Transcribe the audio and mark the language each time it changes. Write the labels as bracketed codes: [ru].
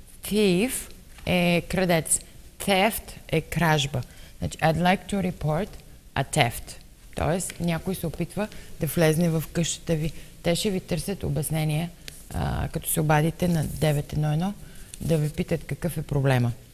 [bg] Thief е крадец. Theft е кражба. [en] Значи, I'd like to report a theft. [bg] Тоест, някой се опитва да влезне в къщата ви. Те ще ви търсят обяснение, като се обадите на 911, да ви питат какъв е проблема.